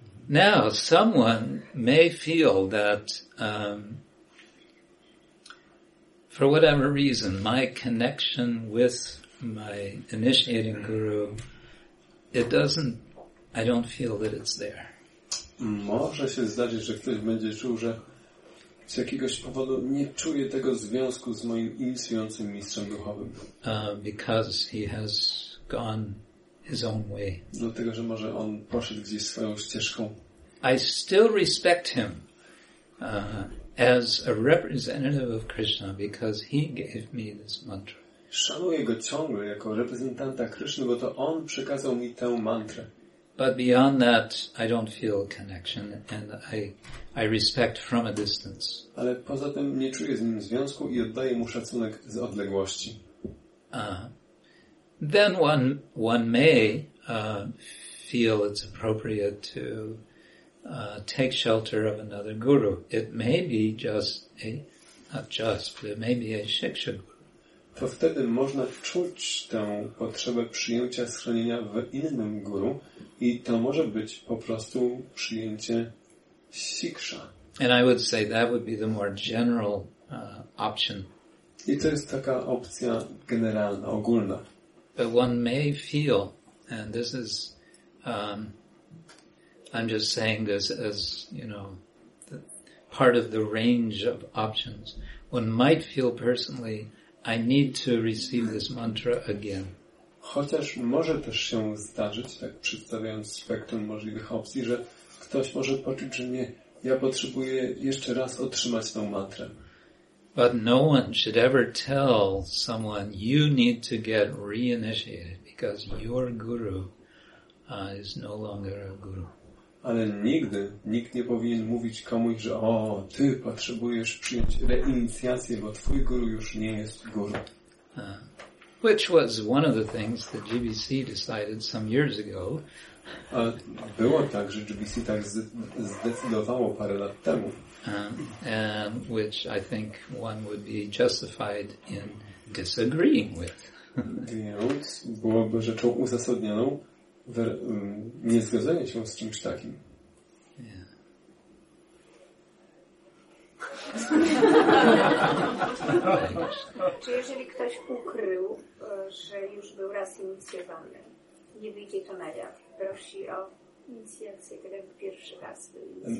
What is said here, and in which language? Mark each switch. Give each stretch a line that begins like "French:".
English: Now, someone may feel that for whatever reason, my connection with my initiating guru, I don't feel that it's there.
Polish: Może się zdarzyć, że ktoś będzie czuł, że z jakiegoś powodu nie czuje tego związku z moim inicjującym mistrzem duchowym.
English: Because he has gone his own way.
Polish: Dlatego, że może on poszedł gdzieś swoją ścieżką.
English: I still respect him as a representative of Krishna because he gave me this mantra.
Polish: Szanuję go ciągle jako reprezentanta Kryszny, bo to on przekazał mi tę mantrę.
English: But beyond that, I don't feel a connection, and I respect from a distance.
Polish: Ale poza tym nie czuję z nim związku i oddaję mu szacunek z odległości.
English: Then one may feel it's appropriate to take shelter of another guru. It may be a shiksha guru.
Polish: To wtedy można czuć tę potrzebę przyjęcia schronienia w innym guru. I to może być po prostu przyjęcie siksza.
English: And I would say that would be the more general option.
Polish: I to jest taka opcja generalna, ogólna.
English: But one may feel, and this is, I'm just saying this as, you know, part of the range of options. One might feel personally, I need to receive this mantra again.
Polish: Chociaż może też się zdarzyć, tak przedstawiając spektrum możliwych opcji, że ktoś może poczuć, że nie, ja potrzebuję jeszcze raz otrzymać tą mantrę.
English: But no one should ever tell someone, you need to get reinitiated because your guru is no longer a guru.
Polish: Ale nigdy nikt nie powinien mówić komuś, że o, ty potrzebujesz przyjąć reinicjację, bo twój guru już nie jest guru.
English: Which was one of the things that GBC decided some years ago.
Polish: Było tak, że GBC tak zdecydowało parę lat temu.
English: And which I think one would be justified in disagreeing with.
Polish: Więc byłoby rzeczą uzasadnioną niezgodzenie się z czymś takim. Czy jeżeli ktoś ukrył, że już był raz inicjowany, nie wyjdzie to na jaw, prosi o inicjację, tak jak pierwszy raz był inicjowany.